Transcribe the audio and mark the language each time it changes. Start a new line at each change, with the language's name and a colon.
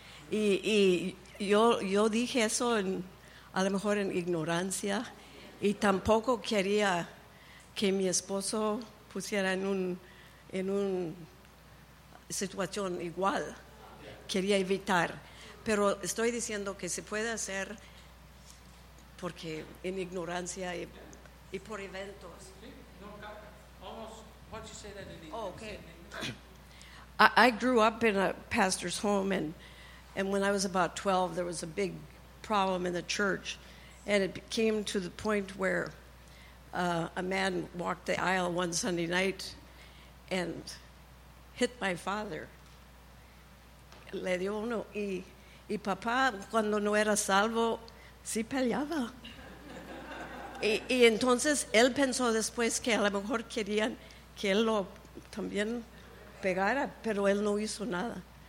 Spanish: Y yo dije eso a lo mejor en ignorancia, y tampoco quería que mi esposo pusiera en una situación igual, quería evitar. Pero estoy diciendo que se puede hacer porque en ignorancia y por eventos. Sí, no,
English: almost, what you say that in English? Oh, okay. I grew up in a pastor's home, and when I was about 12, there was a big problem in the church, and it came to the point where a man walked the aisle one Sunday night and hit my father.
Spanish: Le dio uno, y papá, cuando no era salvo, sí peleaba. Y entonces, él pensó después que a lo mejor querían que él lo también pegara, pero él no hizo nada.